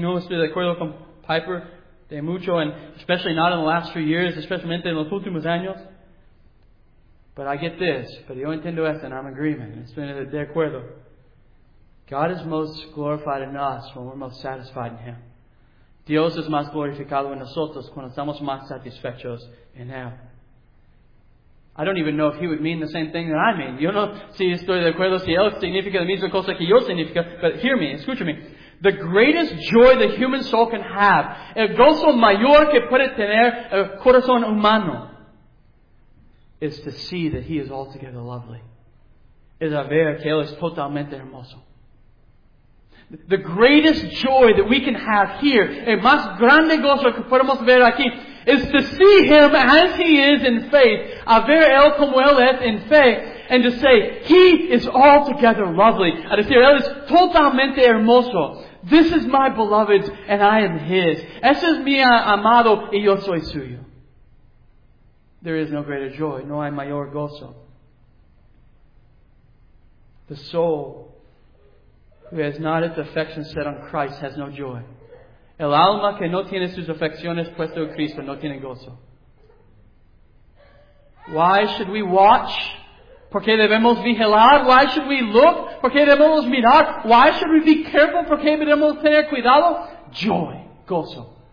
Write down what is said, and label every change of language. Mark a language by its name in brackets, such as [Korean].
[Spanish] No estoy de acuerdo con Piper de mucho, [English] and especially not in the last few years, especially in [Spanish] los últimos años. [English] But I get this. [Spanish] Pero yo entiendo esto, [English] and I'm in agreement. [Spanish] Estoy de acuerdo. [English] God is most glorified in us when we're most satisfied in Him. [Spanish] Dios es más glorificado en nosotros cuando estamos más satisfechos en Él. [English] I don't even know if he would mean the same thing that I mean. [Spanish] Yo no sé si estoy de acuerdo si él significa la misma cosa que yo significa. [English] But hear me, [Spanish] escucha me. [English] The greatest joy the human soul can have, [Spanish] el gozo mayor que puede tener el corazón humano, [English] is to see that he is altogether lovely. [Spanish] Es a ver que él es totalmente hermoso. [English] The greatest joy that we can have here, [Spanish] el más grande gozo que podemos ver aquí, [English] is to see Him as He is in faith, [Spanish] a ver Él como Él es [English] in faith, and to say, He is altogether lovely. [Spanish] A decir, Él es totalmente hermoso. [English] This is my beloved, and I am His. [Spanish] Ese es mi amado, y yo soy suyo. [English] There is no greater joy, [Spanish] no hay mayor gozo. [English] The soul who has not its affection set on Christ has no joy. [Spanish] El alma que no tiene sus afecciones puesto en Cristo no tiene gozo. [English] Why should we watch? [Spanish] ¿Por qué debemos vigilar? [English] Why should we look? [Spanish] ¿Por qué debemos mirar? [English] Why should we be careful? [Spanish] ¿Por qué debemos tener cuidado? Joy. Gozo.